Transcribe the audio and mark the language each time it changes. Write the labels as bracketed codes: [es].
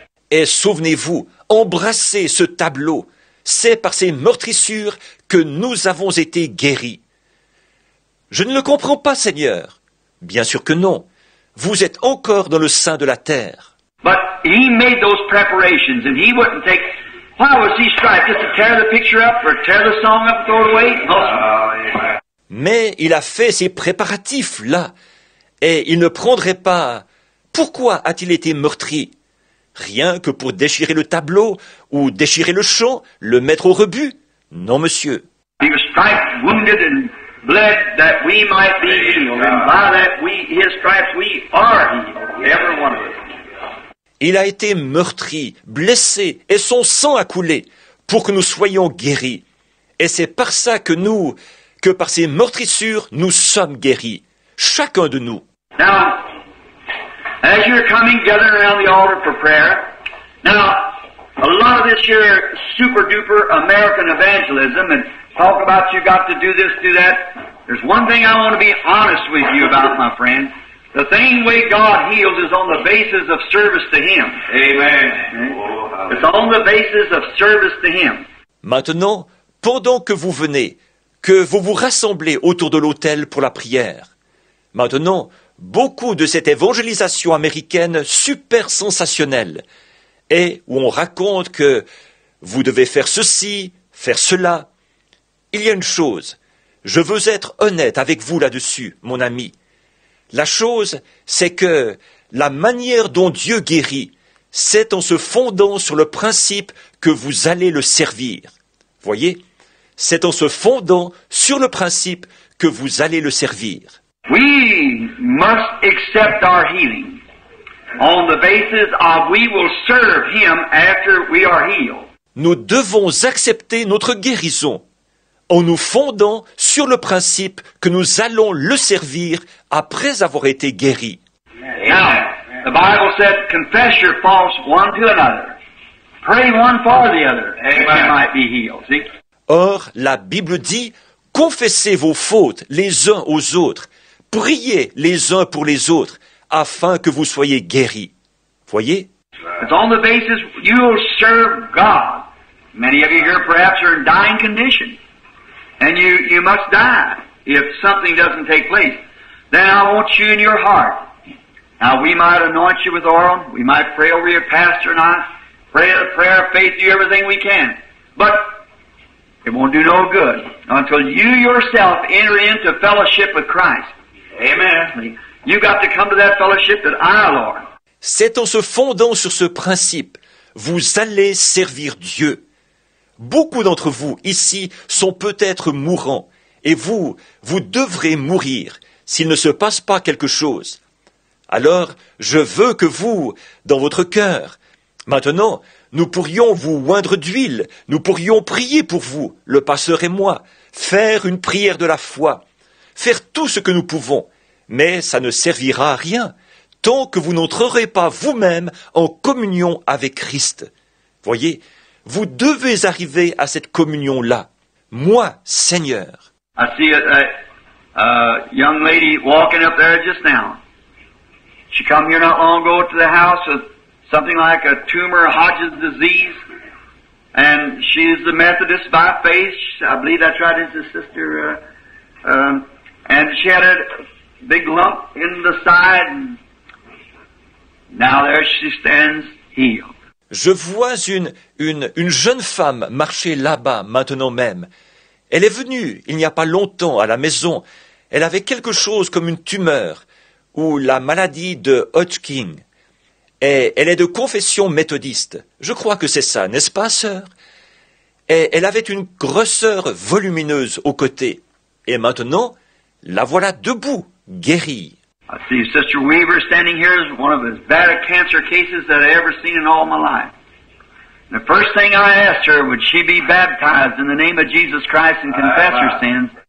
[fr] Et souvenez-vous, embrassez ce tableau. C'est par ces meurtrissures que nous avons été guéris. Je ne le comprends pas, Seigneur. Bien sûr que non. Vous êtes encore dans le sein de la terre. [en] But he made those preparations and he wouldn't take. Why was he striped? Just to tear the picture up or tear the song up and throw it away? No. [fr] Mais il a fait ses préparatifs là. Et il ne prendrait pas. Pourquoi a-t-il été meurtri? Rien que pour déchirer le tableau ou déchirer le champ, le mettre au rebut? Non, monsieur. [en] He was striped, wounded and bled that we might be healed, and by that we, his stripes, we are healed, every one of us. [fr] Il a été meurtri, blessé, et son sang a coulé pour que nous soyons guéris. Et c'est par ça que nous, que par ces meurtrissures, nous sommes guéris, chacun de nous. [en] Now, as you're coming together around the altar for prayer, now, a lot of this here super duper American evangelism and talk about you got to do this, do that. There's one thing I want to be honest with you about, my friend. The thing way God heals is on the basis of service to Him. Amen. It's on the basis of service to Him. [fr] Maintenant, pendant que vous venez, que vous vous rassemblez autour de l'autel pour la prière, maintenant, beaucoup de cette évangélisation américaine super sensationnelle et où on raconte que vous devez faire ceci, faire cela. Il y a une chose, je veux être honnête avec vous là-dessus, mon ami. La chose, c'est que la manière dont Dieu guérit, c'est en se fondant sur le principe que vous allez le servir. Voyez, c'est en se fondant sur le principe que vous allez le servir. [en] We must accept our healing on the basis of we will serve him after we are healed. [fr] Nous devons accepter notre guérison en nous fondant sur le principe que nous allons le servir après avoir été guéris. [en] Now, the Bible said, confess your faults one to another. Pray one for the other, and you might be healed. See? [fr] Or, la Bible dit, confessez vos fautes les uns aux autres, priez les uns pour les autres, afin que vous soyez guéris. Voyez? [en] It's on the basis you will serve God. Many of you here perhaps are in dying condition. And you must die if something doesn't take place. Then I want you in your heart. Now we might anoint you with oil. We might pray over your pastor and I. Pray a prayer of faith, do everything we can. But it won't do no good until you yourself enter into fellowship with Christ. Amen. You've got to come to that fellowship that I, Lord. [fr] C'est en se fondant sur ce principe, vous allez servir Dieu. Beaucoup d'entre vous ici sont peut-être mourants, et vous devrez mourir s'il ne se passe pas quelque chose. Alors, je veux que vous, dans votre cœur, maintenant, nous pourrions vous oindre d'huile, nous pourrions prier pour vous, le pasteur et moi, faire une prière de la foi, faire tout ce que nous pouvons, mais ça ne servira à rien tant que vous n'entrerez pas vous-même en communion avec Christ. Voyez, vous devez arriver à cette communion-là. Moi, Seigneur. [en] I see a young lady walking up there just now. She came here not long ago to the house with something like a tumor, Hodges disease. And she is a Methodist by faith. I believe that's right, it's a sister. And she had a big lump in the side. Now there she stands healed. [fr] Je vois une jeune femme marcher là-bas maintenant même. Elle est venue il n'y a pas longtemps à la maison. Elle avait quelque chose comme une tumeur ou la maladie de Hodgkin. Et elle est de confession méthodiste. Je crois que c'est ça, n'est-ce pas, sœur? Et elle avait une grosseur volumineuse au côté. Et maintenant, la voilà debout, guérie. [en] I see Sister Weaver standing here as one of the bad cancer cases that I've ever seen in all my life. And the first thing I asked her, would she be baptized in the name of Jesus Christ and confess her sins?